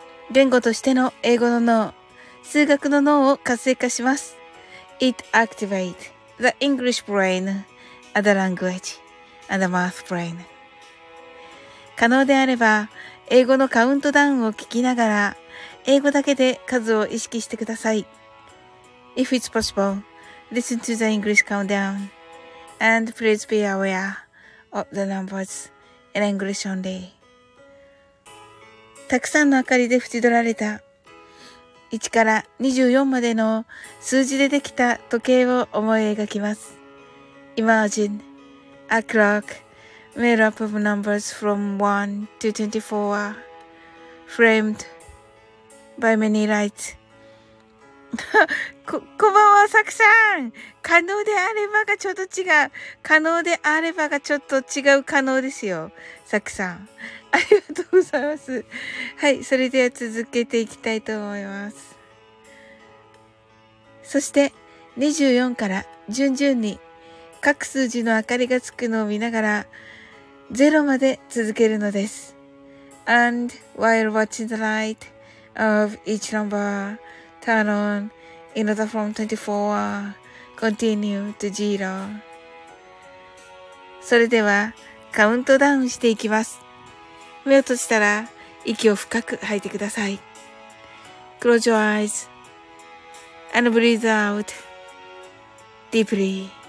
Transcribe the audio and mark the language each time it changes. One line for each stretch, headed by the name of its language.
Japanese: 言語としての英語の脳、数学の脳を活性化します。
English: It activates the English brain. And the language and the math brain.
Japanese: 可能であれば英語のカウントダウンを聞きながら英語だけで数を意識してください。
English: If it's possible, listen to the English countdown and please be aware of the numbers in English only.
Japanese: たくさんの明かりで縁取られた1から24までの数字でできた時計を思い描きます。
English: Imagine a clock made up of numbers from 1 to 24, framed by many lights.
Japanese: こんばんは、さくさん。可能であればがちょっと違う。可能であればがちょっと違う可能ですよ、さくさん。ありがとうございます。はい、それでは続けていきたいと思います。そして、24から順々に各数字の明かりがつくのを見ながら、ゼロまで続けるのです。
English: And while watching the light of each number turn on in order from 24, continue to zero.
Japanese: それでは、カウントダウンしていきます。目を閉じたら、息を深く吐いてください。
English: Close your eyes and breathe out deeply.